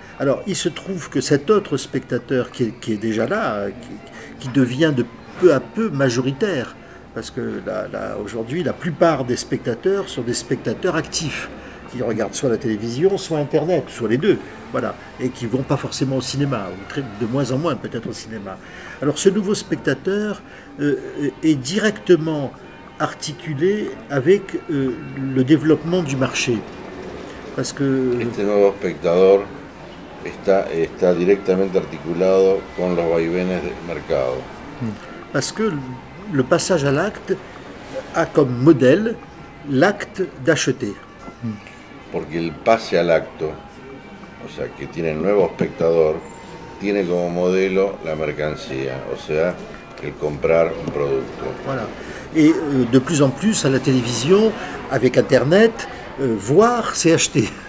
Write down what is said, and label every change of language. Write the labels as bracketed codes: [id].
[fr] Alors, il se trouve que cet autre spectateur qui est déjà là, qui devient de peu à peu majoritaire, parce que là, aujourd'hui, la plupart des spectateurs sont des spectateurs actifs, qui regardent soit la télévision, soit Internet, soit les deux, voilà, et qui ne vont pas forcément au cinéma, ou de moins en moins peut-être au cinéma. Alors, ce nouveau spectateur est directement articulé avec le développement du marché. Parce que... [es] Este nuevo spectateur... Está directamente articulado con los vaivenes del mercado. [fr] Parce que le passage à l'acte a comme modèle l'acte d'acheter. [es] Porque el pase al acto, o sea, que tiene el nuevo espectador, tiene como modelo la mercancía, o sea, el comprar un producto. [fr] Voilà. Et de plus en plus à la télévision, avec Internet, voir, c'est acheter.